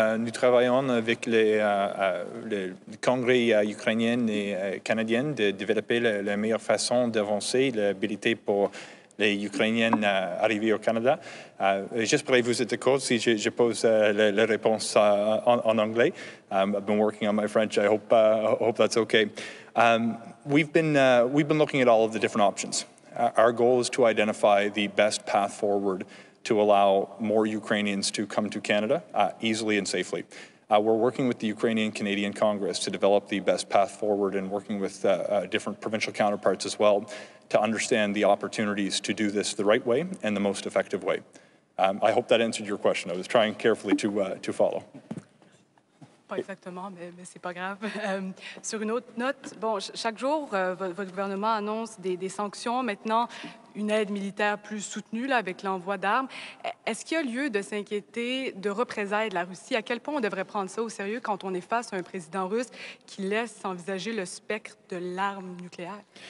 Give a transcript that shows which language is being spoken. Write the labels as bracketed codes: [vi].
[fr] Nous travaillons avec le Congrès ukrainien et canadien de développer la meilleure façon d'avancer l'habilité pour les Ukrainiennes arriver au Canada. Juste pour vous être d'accord, si je pose la réponse en anglais. [en] I've been working on my French. I hope that's okay. We've been looking at all of the different options. Our goal is to identify the best path forward to allow more Ukrainians to come to Canada easily and safely. We're working with the Ukrainian-Canadian Congress to develop the best path forward, and working with different provincial counterparts as well to understand the opportunities to do this the right way and the most effective way. I hope that answered your question. I was trying carefully to follow. [fr] Pas exactement, mais c'est pas grave. Sur une autre note, bon, chaque jour, votre gouvernement annonce des sanctions, maintenant une aide militaire plus soutenue là, avec l'envoi d'armes. Est-ce qu'il y a lieu de s'inquiéter de représailles de la Russie? À quel point on devrait prendre ça au sérieux quand on est face à un président russe qui laisse envisager le spectre de l'arme nucléaire?